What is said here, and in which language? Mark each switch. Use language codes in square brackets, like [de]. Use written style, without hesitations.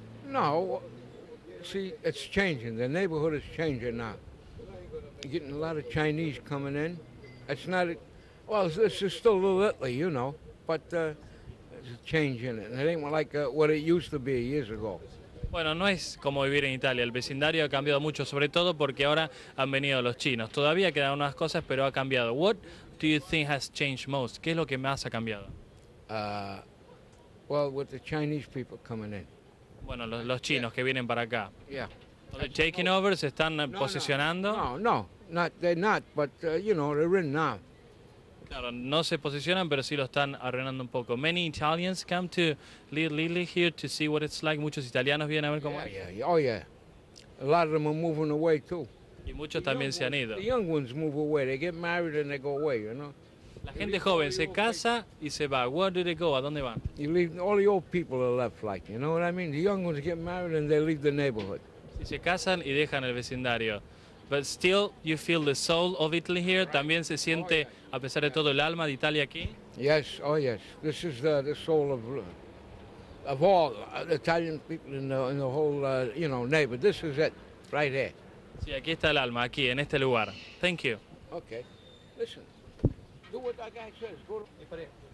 [en] No. See, it's changing. The neighborhood is changing now. You're getting a lot of Chinese coming in. It's not, well, this is still a little Italy, you know, but there's a change in it. And it ain't like what it used to be years ago. [es] Bueno, no es como vivir en Italia. El vecindario ha cambiado mucho, sobre todo porque ahora han venido los chinos. Todavía quedan unas cosas, pero ha cambiado. [en] What do you think has changed most? [es] ¿Qué es lo que más ha cambiado? [en] Well, with the Chinese people coming in. [es] Bueno, los chinos que vienen para acá. [en] Yeah. Are they taking over? [es] ¿Se están posicionando? [en] No. Not, they're not, but, you know, they're in now. [es] Claro, no se posicionan, pero sí lo están arruinando un poco. [en] Many Italians come to Little here to see what it's like. [es] Muchos italianos vienen a ver cómo [en] es. Oh, yeah. A lot of them are moving away, too. [es] Y muchos también se han ido. [en] The young ones move away. They get married and they go away, you know. [es] La gente joven se casa y se va. [en] Where do they go? [es] ¿A dónde van? [en] You leave, all the old people are left, like, you know what I mean? The young ones get married and they leave the neighborhood. [es] Y se casan y dejan el vecindario. [en] But still, you feel the soul of Italy here? [es] ¿También se siente, [en] oh, yeah, [es] a pesar de todo, el alma de Italia aquí? [en] Yes, oh yes. This is the soul of all the Italian people in the whole, you know, neighbor. This is it, right here. [es] Sí, aquí está el alma, aquí, en este lugar. [en] Thank you. Okay. Listen. Do what that guy says. Go to...